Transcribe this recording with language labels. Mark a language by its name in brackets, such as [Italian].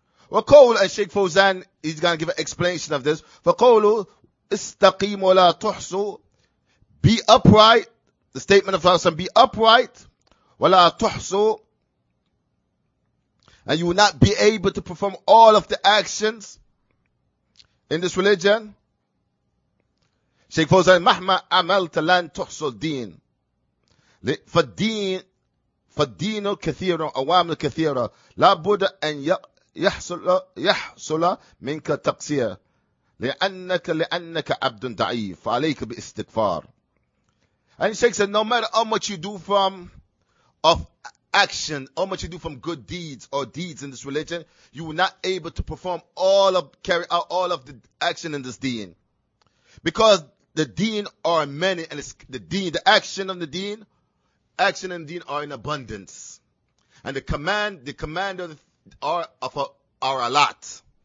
[Arabic] وقول الشيخ فوزان, [English] he's going to give an explanation of this. [Arabic] فقولوا استقيم ولا تحصو, [English] be upright. The statement of Allah, be upright [Arabic] ولا تحصو, [English] and you will not be able to perform all of the actions in this religion. [Arabic] Shaykh Fawzan, مهما عملت لن تحصو الدين فالدين كثير أوامر كثيرة لا بد أن يحصل منك تقصير لأنك عبد ضعيف عليك باستغفار. [English] And Shaykh said, no matter how much you do from of action, how much you do from good deeds or deeds in this religion, you will not able to perform all of carry out all of the action in this deen, because the deen are many and it's the action in the deen are in abundance, and the command are a lot.